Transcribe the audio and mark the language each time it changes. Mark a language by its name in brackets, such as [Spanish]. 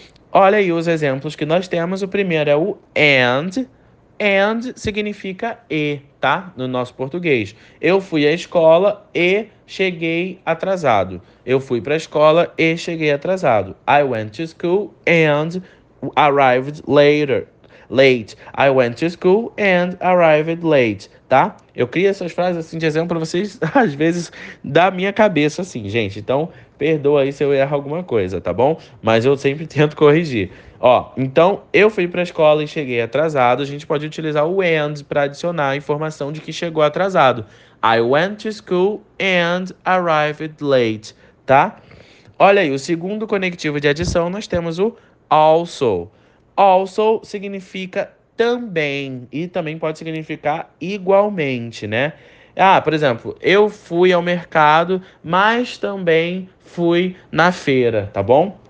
[Portuguese] Olha aí os exemplos que nós temos. O primeiro é o and. And significa e, tá? No nosso português. Eu fui à escola e cheguei atrasado. Eu fui para a escola e cheguei atrasado. [English] I went to school and arrived later. Late. I went to school and arrived late, tá? [Portuguese] Eu crio essas frases assim de exemplo para vocês, às vezes, da minha cabeça, assim, gente. Então, perdoa aí se eu erro alguma coisa, tá bom? Mas eu sempre tento corrigir. Ó, então, eu fui para a escola e cheguei atrasado. A gente pode utilizar o and para adicionar a informação de que chegou atrasado. [English] I went to school and arrived late, tá? [Portuguese] Olha aí, o segundo conectivo de adição, nós temos o also. Also significa também e também pode significar igualmente, né? Ah, por exemplo, eu fui ao mercado, mas também fui na feira, tá bom?